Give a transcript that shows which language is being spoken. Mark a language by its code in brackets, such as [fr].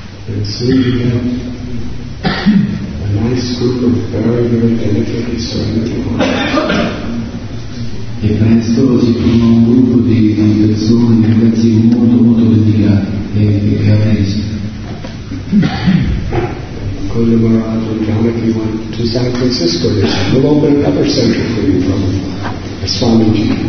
[en] And soon we have a nice group of very, very dedicated servants. [it] E presto si forma un gruppo di persone, di ragazzi molto, molto dedicati e carissimi. [en] Kodo Maharaj and Janaki went to San Francisco. They said, we'll open another center for you, Prabhupada. Swamiji.